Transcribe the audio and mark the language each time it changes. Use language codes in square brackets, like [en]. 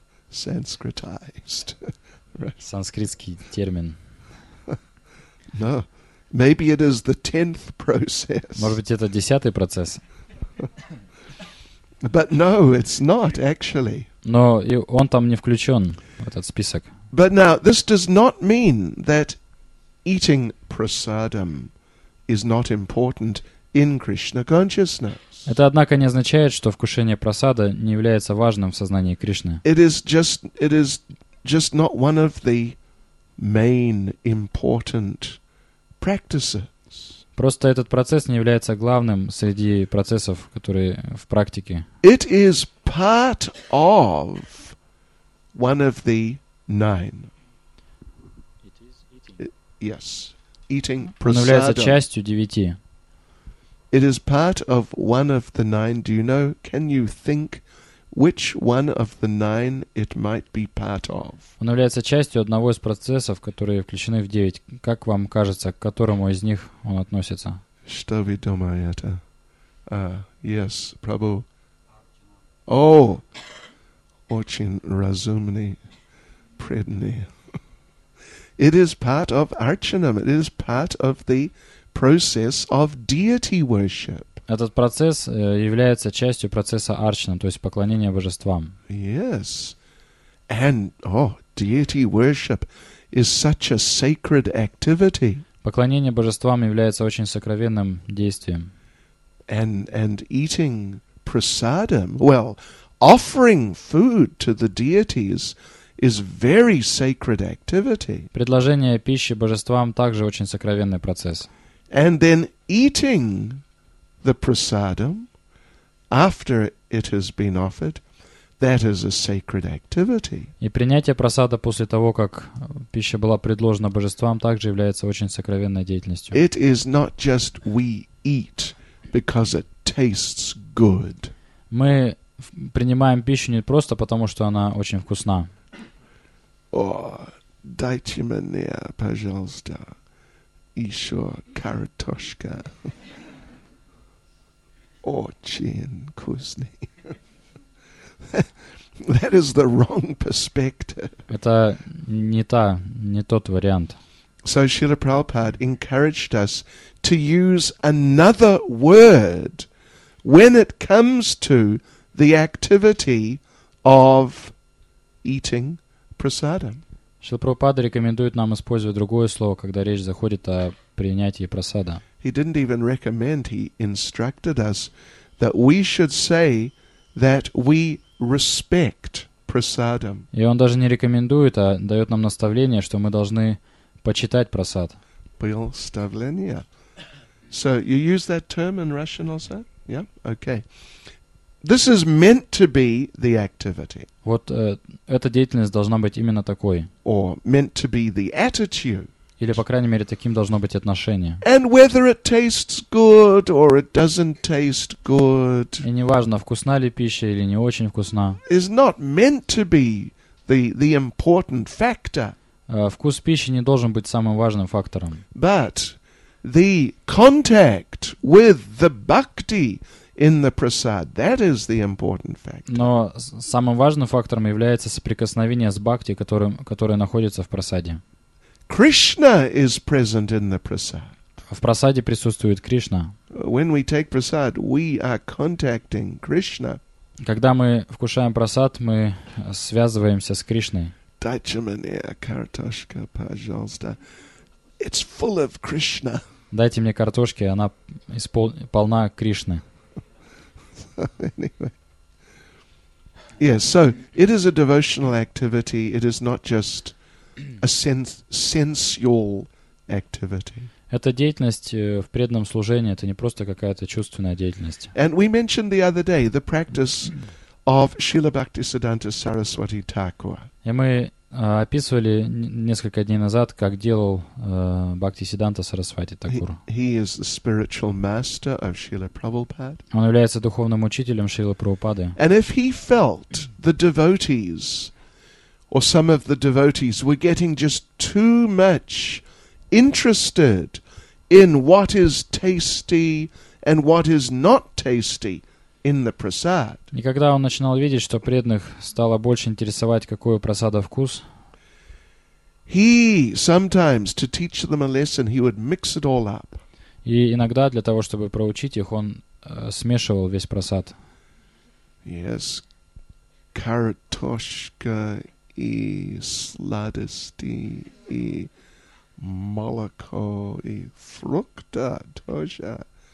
[en] Sanskritized. [ru] Right. Sanskritsky термин. [en] No. Maybe it is the 10th process. [ru] Может быть, это 10-й процесс. [en] But no, it's not actually. [ru] Но он там не включен, этот список. [en] But now, this does not mean that eating prasadam is not important in Krishna consciousness. [ru] Это, однако, не означает, что вкушение прасада не является важным в сознании Кришны. [en] It is just not one of the main important practices. [ru] Просто этот процесс не является главным среди процессов, которые в практике. [en] It is part of one of the nine. It is eating. Yes. Eating prasadam. [ru] Он является частью девяти. [en] It is part of one of the nine. Do you know, can you think which one of the nine it might be part of? [ru] Он является частью одного из процессов, которые включены в девять. Как вам кажется, к которому из них он относится? Что вы думаете? Yes, Prabhu. Oh, очень разумный, преданный. [en] It is part of Archanam. It is part of the process of deity worship. [ru] Этот процесс является частью процесса Арчана, то есть поклонения божествам. [en] Yes. And, oh, deity worship is such a sacred activity. [ru] Поклонение божествам является очень сокровенным действием. [en] And eating prasadam, well, offering food to the deities is very sacred activity. [ru] Предложение пищи божествам также очень сокровенный процесс. [en] And then eating the prasadam after it has been offered, that is a sacred activity. [ru] И принятие прасада после того, как пища была предложена божествам, также является очень сокровенной деятельностью. [en] It is not just we eat because it tastes good. [ru] Мы принимаем пищу не просто потому, что она очень вкусна. О, дайте мне, пожалуйста. Ещё картошка. Очень вкусный. [en] That is the wrong perspective. [ru] Это не тот вариант. [en] So Srila Prabhupada encouraged us to use another word when it comes to the activity of eating prasadam. [ru] Шрила Прабхупада рекомендует нам использовать другое слово, когда речь заходит о принятии прасада. [en] He didn't even recommend, he instructed us that we should say that we respect prasadam. [ru] И он даже не рекомендует, а дает нам наставление, что мы должны почитать прасад. Представление. [en] So you use that term in Russian also? Yeah? Okay. This is meant to be the activity. [ru] Вот эта деятельность должна быть именно такой. [en] Or meant to be the attitude. [ru] Или, по крайней мере, таким должно быть отношение. [en] And whether it tastes good or it doesn't taste good. [ru] И неважно, вкусна ли пища или не очень вкусна. [en] Is not meant to be the important factor. [ru] Вкус пищи не должен быть самым важным фактором. [en] But the contact with the bhakti in the prasad, that is the important factor. [ru] Но самым важным фактором является соприкосновение с бхакти, которое находится в прасаде. [en] Krishna is present in the prasad. [ru] В прасаде присутствует Кришна. [en] When we take prasad, we are contacting Krishna. [ru] Когда мы вкушаем прасад, мы связываемся с Кришной. Дайте мне картошка, пожалуйста. [en] It's full of Krishna. [ru] Дайте мне картошки, она полна Кришны. [en] Anyway. Yes, so it is a devotional activity. It is not just a sensual activity. [ru] Это деятельность в преданном служении, это не просто какая-то чувственная деятельность. [en] And we mentioned the other day the practice of Srila Bhaktisiddhanta Saraswati Thakur. [ru] И мы описывали несколько дней назад, как делал Бхактисиддханта Сарасвати Такур. Он является духовным учителем Шрилы Прабхупады. [en] And if he felt the devotees or some of the devotees were getting just too much interested in what is tasty and what is not tasty in the prasad. [ru] И когда он начинал видеть, что преданных стало больше интересовать, какой у прасада вкус, [en] he sometimes to teach them a lesson, he would mix it all up. [ru] И иногда для того, чтобы проучить их, он смешивал весь прасад. Yes, картошка и сладости и молоко и фрукта тоже.